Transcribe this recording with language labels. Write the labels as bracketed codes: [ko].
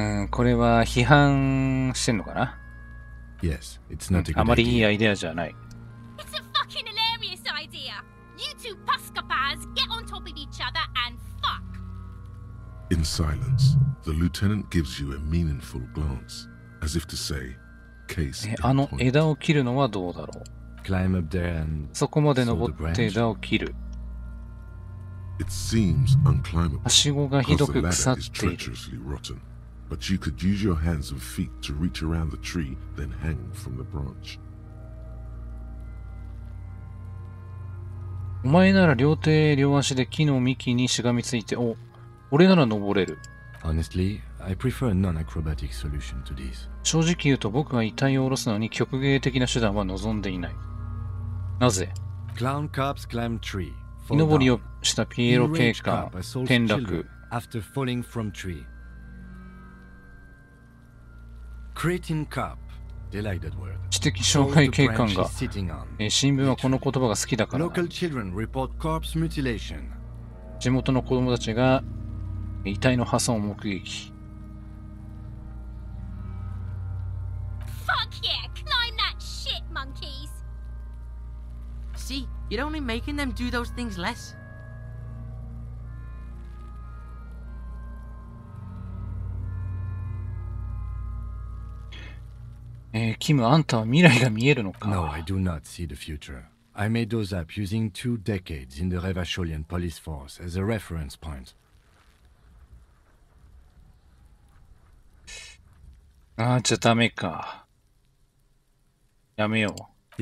[ja] これは批判してんのかな。 [en] Yes, it's not a good idea. [ja] あまりいいアイデアじゃない。 [en] It's a fucking hilarious idea! You two paskapas, get on top of each other and fuck! In silence, the lieutenant gives you a meaningful glance, as if to say, case in point. [ja] あの枝を切るのはどうだろう。 [en] Climb up there and [ja] そこまで登って枝を切る。 [en] It seems unclimbable. [ja] はしごがひどく腐っている。 [en] Treacherously rotten. But you could use your hands and feet to reach around the tree, then hang from the branch. [ja] お前なら両手両足で木の幹にしがみついて、お。俺なら登れる。 [en] Honestly, I prefer a non-acrobatic solution to this. [ja] 正直言うと僕は遺体を下ろすのに曲芸的な手段は望んでいない。なぜ？ [en] Clown cops climb tree. [ja] 木登りをしたピエロ警官転落。 [en] After falling from tree. Cretin cop. They like that word. [ja] 知的障害警官が。新聞はこの言葉が好きだから。 [en] Local children report corpse mutilation. [ja] 地元の子供たちが遺体の破損を目撃。 [en] Fuck yeah! Climb that shit, monkeys! See, you're only making them do those things less. [ja] キム、あんたは未来が見えるのか [en] ？No, I do not see the future. I made those up using two decades in the Revacholian police force as a reference point. [ja] じゃダメか。やめよう。